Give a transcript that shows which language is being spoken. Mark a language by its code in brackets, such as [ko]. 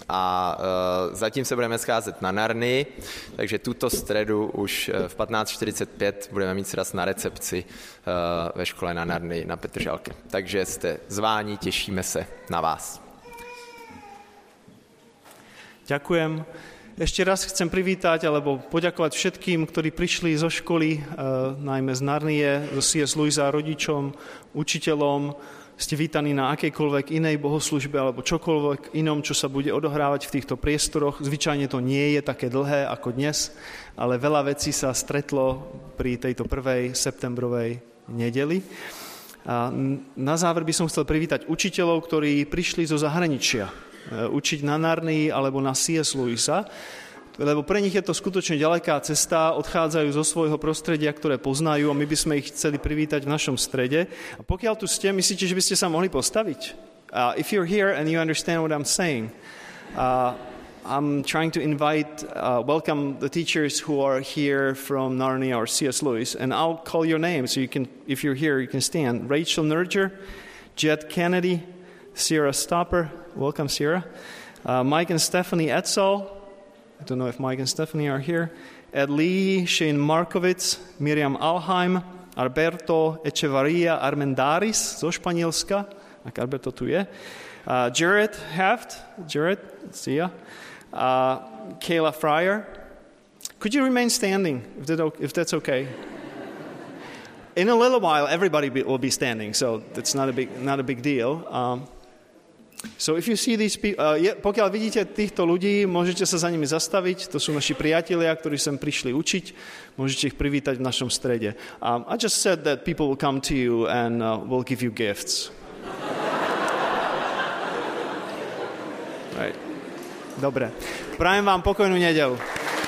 [cs] A zatím se budeme scházet na Narnii, takže tuto středu už v 15.45 budeme mít sraz na recepci ve škole na Narnii na Petržalke. Takže jste zváni, těšíme se na vás. [sk] Ďakujem. Ešte raz chcem privítať alebo poďakovať všetkým, ktorí prišli zo školy, najmä z Narnie, zo C.S. Lewisa, rodičom, učiteľom. Ste vítaní na akejkoľvek inej bohoslužbe alebo čokoľvek inom, čo sa bude odohrávať v týchto priestoroch. Zvyčajne to nie je také dlhé ako dnes, ale veľa vecí sa stretlo pri tejto prvej septembrovej nedeli. A na záver by som chcel privítať učiteľov, ktorí prišli zo zahraničia učiť na Narnii alebo na C.S. Lewisa, lebo pre nich je to skutočne ďaleká cesta, odchádzajú zo svojho prostredia, ktoré poznajú, a my by sme ich chceli privítať v našom strede. A pokiaľ tu ste, myslíte, že by ste sa mohli postaviť? [en] If you're here and you understand what I'm saying, I'm trying to invite, welcome the teachers who are here from Narnia or C.S. Lewis, and I'll call your name, so you can, if you're here, you can stand. Rachel Nurger, Jed Kennedy, Sierra Stopper, welcome Sierra, Mike and Stephanie Edsel, I don't know if Mike and Stephanie are here, Ed Lee, Shane Markovitz, Miriam Alheim, Alberto Echevarria Armendariz [sk] zo Španielska, ak Alberto tu je, [en] Jared Haft, Jared, see ya, Kayla Fryer. Could you remain standing, if that's okay? In a little while, everybody will be standing, so that's not a big deal. So if you see these people, [sk] pokiaľ vidíte týchto ľudí, môžete sa za nimi zastaviť. To sú naši priatelia, ktorí sem prišli učiť. Môžete ich privítať v našom strede. [en] I just said that people will come to you and will give you gifts. [sk] Right. Dobre. Prajem vám pokojnú nedeľu.